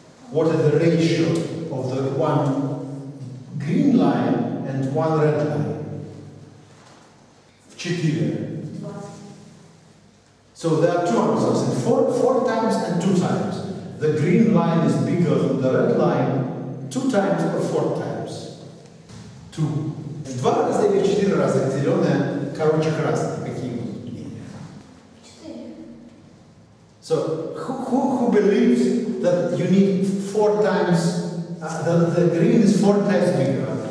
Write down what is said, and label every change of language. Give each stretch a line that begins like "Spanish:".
English: What is the ratio of the one green line and one red line? 4. So there are two answers, four times and two times. The green line is bigger than the red line, two times or four times? Two.
Russian: В 2 раза или 4 раза зеленая, короче, красная, какие будут линии? 4.
English: So, who believes that you need four times, that the green is four times bigger?